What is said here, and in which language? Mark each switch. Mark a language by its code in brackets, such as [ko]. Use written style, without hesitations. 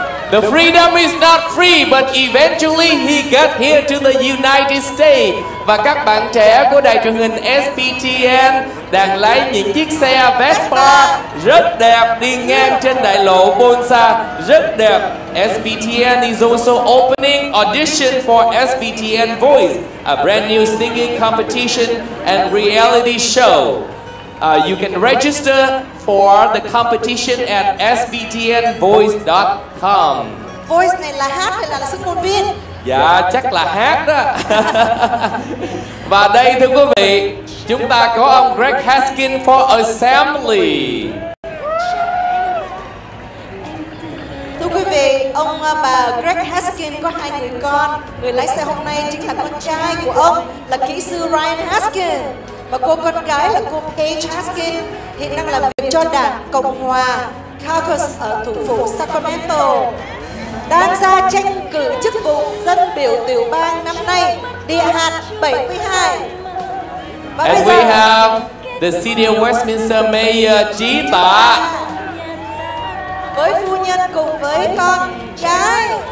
[en] The freedom is not free, but eventually he got here to the United States. [vi] Và các bạn trẻ của đài truyền hình SBTN đang lái những chiếc xe Vespa rất đẹp đi ngang trên đại lộ Bonsa, rất đẹp. [en] SBTN is also opening audition for SBTN Voice, a brand new singing competition and reality show. You can register for the competition at sbtnvoice.com. [vi] Voice này là hát hay là sứ công viên? Dạ, chắc là hát đó. Và đây thưa quý vị, chúng ta có ông Greg Haskin for Assembly. Thưa quý vị, ông bà Greg Haskin có hai người con. Người lái xe hôm nay chính là con trai của ông, là kỹ sư Ryan Haskin. Và cô con gái là cô Paige Haskin, hiện đang làm việc cho Đảng Cộng Hòa Caucus ở thủ phủ Sacramento, đang ra tranh cử chức vụ dân biểu tiểu bang năm nay, địa hạt 72. [en] And we have the City of Westminster Mayor Chí Tạ [vi] với phu nhân cùng với con trai.